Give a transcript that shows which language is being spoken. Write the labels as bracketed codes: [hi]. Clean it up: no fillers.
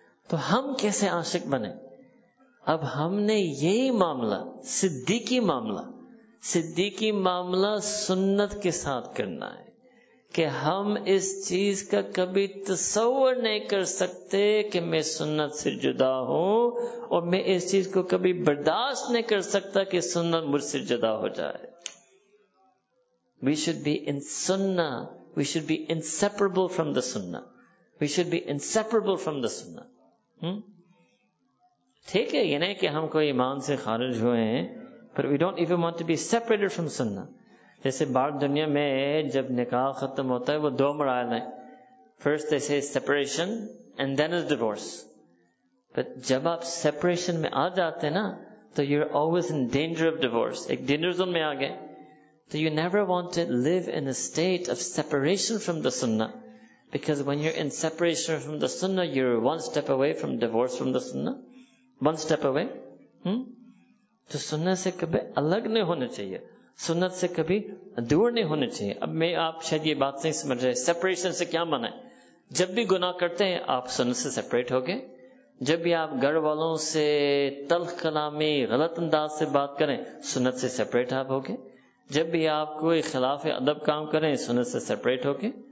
[ur] تو ہم کیسے عاشق بنے؟ اب ہم نے یہی معاملہ, صدیقی معاملہ, صدیقی معاملہ سنت کے ساتھ کرنا ہے کہ ہم اس چیز کا کبھی تصور نہیں کر سکتے کہ میں سنت سے جدا ہوں, اور میں اس چیز کو کبھی برداشت نہیں کر سکتا کہ سنت مجھ سے جدا ہو جائے. [en] We should be in sunnah, we should be inseparable from the sunnah, we should be inseparable from the sunnah. [ur] ٹھیک ہے, یہ نہیں کہ ہم کوئی ایمان سے خارج ہوئے ہیں, پر [en] We don't even want to be separated from sunnah. [ur] جیسے باہر دنیا میں جب نکاح ختم ہوتا ہے وہ دو مراحل ہیں, [en] First they say separation and then is divorce. [ur] But جب آپ سیپریشن میں آ جاتے ہیں نا تو [en] you are always in danger of divorce, [ur] ایک ڈینجر زون میں آ گئے. [en] تو you never want to live in a state of separation from the sunnah, because when you in separation from the sunnah you are one step away from divorce from the sunnah, one step away. [ur] تو سنہ سے کبھی الگ نہیں ہونا چاہیے, سنت سے کبھی دور نہیں ہونے چاہیے. اب میں آپ شاید یہ بات نہیں سمجھ رہے, سیپریشن سے کیا مانا ہے؟ جب بھی گناہ کرتے ہیں آپ سنت سے سیپریٹ ہو گئے, جب بھی آپ گھر والوں سے تلخ کلامی غلط انداز سے بات کریں سنت سے سیپریٹ آپ ہو گئے, جب بھی آپ کوئی خلاف ادب کام کریں سنت سے سیپریٹ ہو گئے.